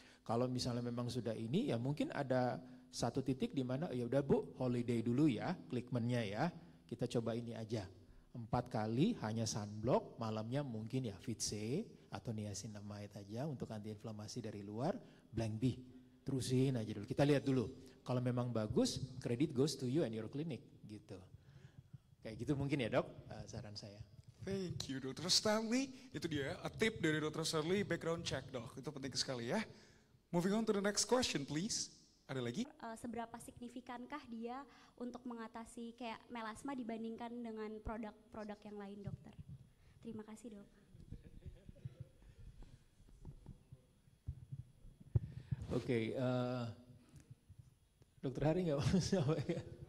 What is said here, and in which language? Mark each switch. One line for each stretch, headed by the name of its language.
Indonesian: Kalau misalnya memang sudah ini ya mungkin ada satu titik di mana ya udah bu holiday dulu ya Klickman-nya ya, kita coba ini aja 4 kali hanya sunblock, malamnya mungkin ya vitc atau niacinamide aja untuk antiinflamasi dari luar, blank B terusin aja dulu, kita lihat dulu. Kalau memang bagus,
English: credit goes to you and your clinic,
Indonesian: gitu. Kayak gitu mungkin ya dok, saran saya.
English: Thank you Dr.
Indonesian: Stanley, itu dia a tip dari Dr. Stanley, background check dok, itu penting sekali ya.
English: Moving on to the next question please,
Indonesian: ada lagi? Seberapa signifikankah dia untuk mengatasi kayak melasma dibandingkan dengan produk-produk yang lain dokter? Terima kasih dok. Oke, dokter Hari nggak apa-apa ya?